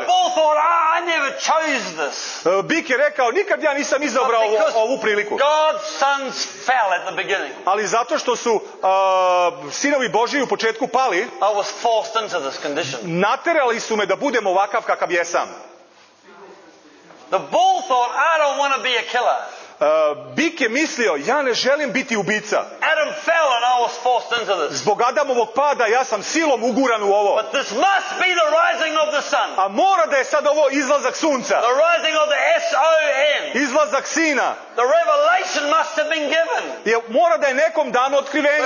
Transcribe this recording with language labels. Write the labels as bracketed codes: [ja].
[en] The bull thought, I never chose this. [sr] Bik je rekao, nikad ja nisam izabrao ovu priliku. [en] God's sons fell at the beginning. [sr] Ali zato što su sinovi Božji u početku pali, [en] I was forced into this condition. [sr] Naterali su me da budem ovakav kakav jesam. [en] The bull thought, I don't want to be a killer. [sr] Bik je mislio, ja ne želim biti ubica. [en] Adam fell and I was forced into this. [sr] Zbog Adamovog pada, ja sam silom uguran u ovo. [en] But this must be the rising of the sun. [sr] A mora da je sad ovo izlazak sunca. [en] The rising of the S-O-N. [sr] Izlazak sina. [en] The revelation must have been given. [sr] Je, mora da je nekom dano otkrivenje.